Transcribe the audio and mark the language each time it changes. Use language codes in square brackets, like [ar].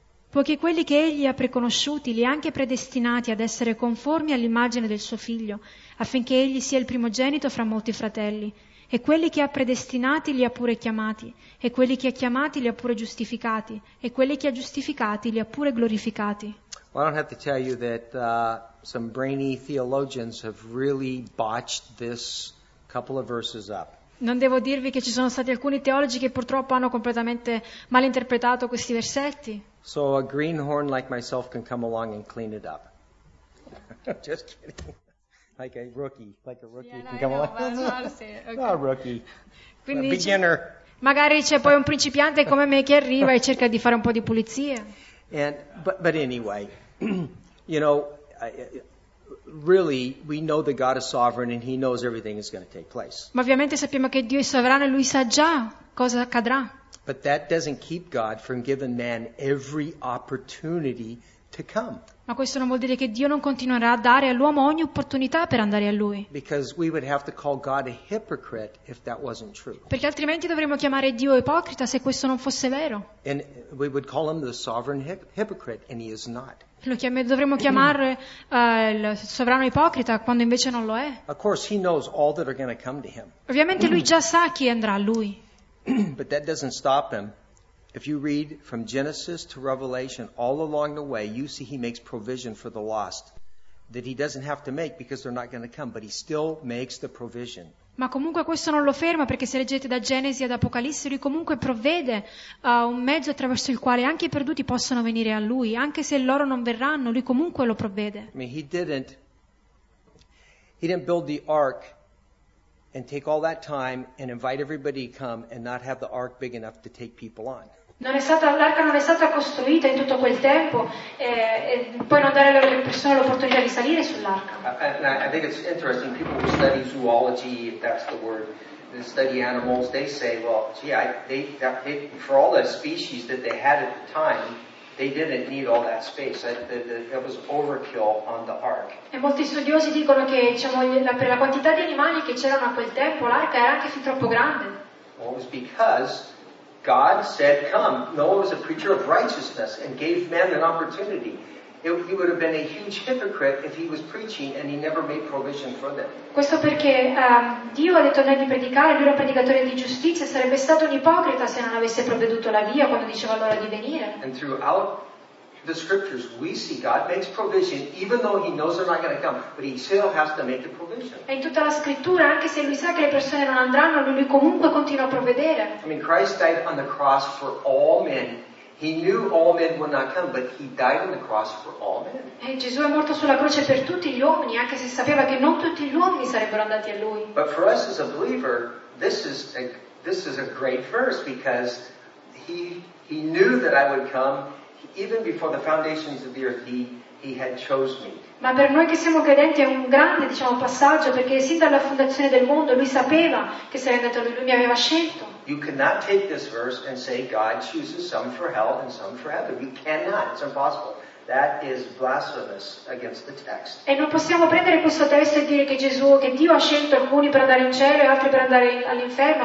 [it] Poiché quelli che egli ha preconosciuti li ha anche predestinati ad essere conformi all'immagine del suo figlio, affinché egli sia il primogenito fra molti fratelli. E quelli che ha predestinati li ha pure chiamati, e quelli che ha chiamati li ha pure giustificati, e quelli che ha giustificati li ha pure glorificati. [en] Well, I don't have to tell you that some brainy theologians have really botched this couple of verses up. [it] Non devo dirvi che ci sono stati alcuni teologi che purtroppo hanno completamente malinterpretato questi versetti. [en] So a greenhorn like myself can come along and clean it up. Just kidding. Like a rookie can come along. No, a rookie. [it] Quindi [en] a beginner. [it] Magari c'è poi un principiante come me che arriva e cerca di fare un po' di pulizia. [en] But anyway, you know, really, we know that God is sovereign and He knows everything is going to take place. [it] Ma ovviamente sappiamo che Dio è sovrano e Lui sa già cosa accadrà. [en] But that doesn't keep God from giving man every opportunity to come. [it] Ma questo non vuol dire che Dio non continuerà a dare all'uomo ogni opportunità per andare a Lui. [en] Because we would have to call God a hypocrite if that wasn't true. [it] Perché altrimenti dovremmo chiamare Dio ipocrita se questo non fosse vero. [en] And we would call Him the sovereign hypocrite, and He is not. [it] Dovremmo chiamare il sovrano ipocrita quando invece non lo è. [en] Of course, He knows all that are going to come to Him. [it] Ovviamente Lui già sa chi andrà a Lui. [en] But that doesn't stop Him. If you read from Genesis to Revelation, all along the way, you see He makes provision for the lost that He doesn't have to make because they're not going to come, but He still makes the provision. [it] Ma comunque questo non lo ferma, perché se leggete da Genesi ad Apocalisse, Lui comunque provvede a un mezzo attraverso il quale anche i perduti possono venire a Lui, anche se loro non verranno, Lui comunque lo provvede. [en] I mean, he didn't build the ark and take all that time and invite everybody to come and not have the ark big enough to take people on. [it] L'arca non è stata costruita in tutto quel tempo e poi non dare alle persone l'opportunità di salire sull'arca. [en] I think it's interesting, people who study zoology, if that's the word, and study animals, they say, well, gee, for all the species that they had at the time, they didn't need all that space. That was overkill on the ark. [it] E molti studiosi dicono che, diciamo, per la quantità di animali che c'erano a quel tempo, l'arca era anche fin troppo grande. [en] Well, it was because God said, come. Noah was a preacher of righteousness and gave man an opportunity. He would have been a huge hypocrite if he was preaching and he never made provision for them. [it] Questo perché Dio ha detto a noi di predicare, lui era un predicatore di giustizia, sarebbe stato un ipocrita se non avesse provveduto la via quando diceva l'ora di venire. [en] And throughout the scriptures we see God makes provision even though He knows they're not going to come, but He still has to make the provision. [it] E in tutta la scrittura, anche se Lui sa che le persone non andranno, Lui comunque continua a provvedere. [en] I mean, Christ died on the cross for all men. He knew all men would not come, but He died on the cross for all men. [it] E Gesù è morto sulla croce per tutti gli uomini, anche se sapeva che non tutti gli uomini sarebbero andati a Lui. [en] But for us as a believer, this is a great verse, because he knew that I would come even before the foundations of the earth. He had chosen me. [it] Ma per noi che siamo credenti è un grande, diciamo, passaggio, perché sin dalla fondazione del mondo Lui sapeva che sarei andato, Lui mi aveva scelto. [en] You cannot take this verse and say God chooses some for hell and some for heaven. You cannot. It's impossible. That is blasphemous against the text. [it] E non possiamo prendere questo testo e dire che Gesù, che Dio ha scelto alcuni per andare in cielo e altri per andare all'inferno.